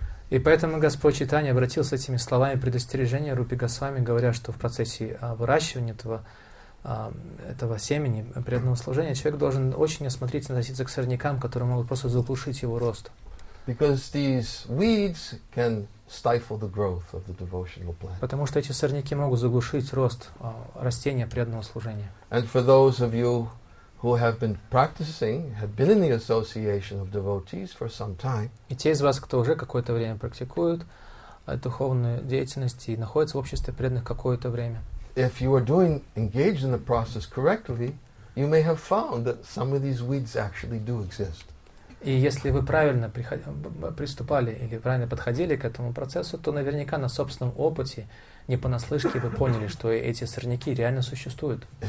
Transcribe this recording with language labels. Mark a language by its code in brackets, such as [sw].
[ru] И поэтому Господь Чайтанья обратился этими словами предостережения Рупе Госвами, говоря, что в процессе выращивания этого семени преданного служения человек должен очень осмотрительно относиться к сорнякам, которые могут просто заглушить его рост. [en] Because these weeds can stifle the growth of the devotional plant. [ru] Потому что эти сорняки могут заглушить рост растения преданного служения. [en] And for those of you who have been practicing, have been in the association of devotees for some time. [ru] И те из вас, кто уже какое-то время практикует духовную деятельность и находится в обществе преданных какое-то время. [en] If you are doing engaged in the process correctly, you may have found that some of these weeds actually do exist. [ru] И если вы правильно приступали или правильно подходили к этому процессу, то наверняка на собственном опыте, не понаслышке, вы поняли, что эти сорняки реально существуют.